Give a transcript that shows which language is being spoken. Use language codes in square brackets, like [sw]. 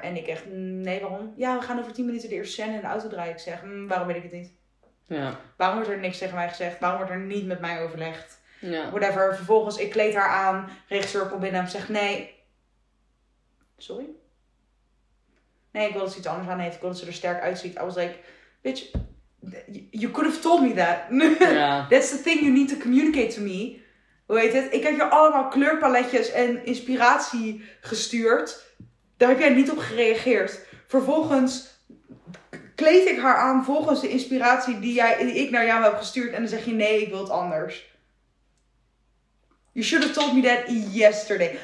[nl] En ik echt, nee, waarom? Ja, we gaan over 10 minuten de eerste scène in de auto draaien. Ik zeg, waarom weet ik het niet? Ja. Waarom wordt er niks tegen mij gezegd? Waarom wordt er niet met mij overlegd? Ja. [en] Whatever. [nl] Vervolgens, ik kleed haar aan. Regisseur komt binnen en zegt, nee. Sorry? nee, ik wil dat ze iets anders aan heeft. Ik wil dat ze er sterk uitziet. [en] I was like, bitch, you could have told me that. That's the thing you need to communicate to me. [nl] Hoe heet het? Ik heb je allemaal kleurpaletjes en inspiratie gestuurd. Daar heb jij niet op gereageerd. Vervolgens kleed ik haar aan volgens de inspiratie die ik naar jou heb gestuurd. En dan zeg je, nee, ik wil het anders. [en] You should have told me that yesterday.